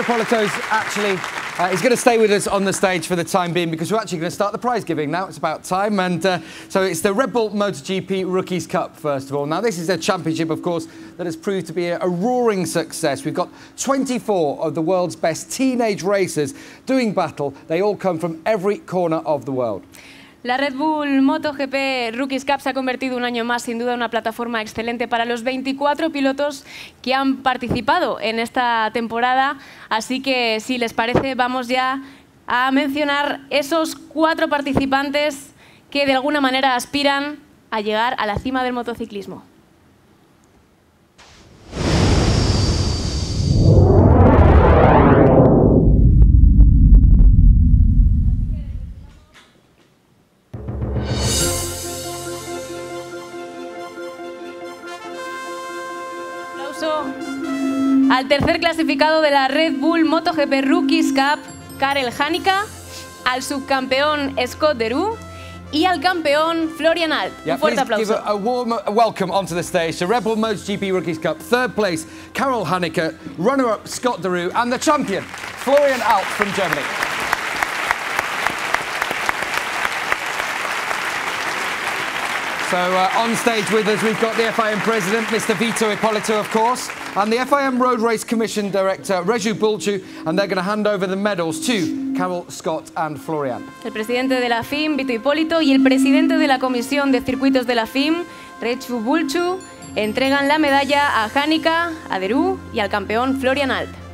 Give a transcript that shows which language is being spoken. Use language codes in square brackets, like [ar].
[en] Hipólito is actually he's going to stay with us on the stage for the time being because we're actually going to start the prize giving now. It's about time. And so it's the Red Bull MotoGP Rookies Cup, first of all. Now, this is a championship, of course, that has proved to be a roaring success. We've got 24 of the world's best teenage racers doing battle. They all come from every corner of the world. [es] La Red Bull MotoGP Rookies Cup se ha convertido un año más, sin duda, en una plataforma excelente para los 24 pilotos que han participado en esta temporada. Así que, si les parece, vamos ya a mencionar esos cuatro participantes que, de alguna manera, aspiran a llegar a la cima del motociclismo. Al tercer clasificado de la Red Bull MotoGP Rookies Cup, Karel Hanika, al subcampeón Scott Deru y al campeón Florian Alt. [en] Yeah, [es] un fuerte aplauso. [en] Give a warm welcome onto the stage to Red Bull MotoGP Rookies Cup. Third place, Karel Hanika, runner-up Scott Deru and the champion, Florian Alt from Germany. So on stage with us, we've got the FIM president, Mr. Vito Hipólito, of course, and the FIM Road Race Commission director, Reju Bulcu, and they're going to hand over the medals to Karel, Scott and Florian. [es] El presidente de la FIM, Vito Hipólito, y el presidente de la Comisión de Circuitos de la FIM, Reju Bulcu, entregan la medalla a Hanika, a Deru y al campeón Florian Alt.